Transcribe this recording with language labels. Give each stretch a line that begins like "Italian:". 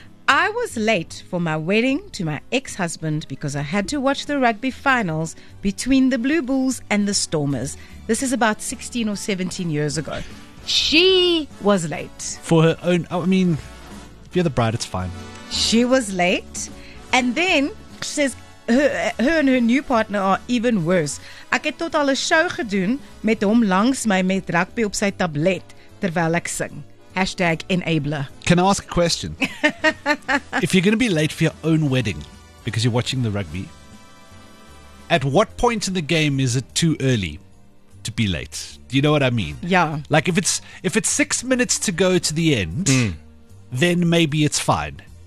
English: I was late for my wedding to my ex-husband because I had to watch the rugby finals between the Blue Bulls and the Stormers. This is about 16 or 17 years ago. She was late. For her own, I mean, if you're the bride, it's fine. She was late. And then, she says, her and her new partner are even worse.
Afrikaans: Ek het tot al 'n show gedoen met hom langs my met rugby op sy tablet terwyl ek sing.
English: Hashtag enabler. Can I ask a question? If you're going to be late for your own wedding because you're watching the rugby, at what point in the game is it too early to be late? Do you know what I mean? Yeah. Like if it's 6 minutes to go to the end, then maybe it's fine.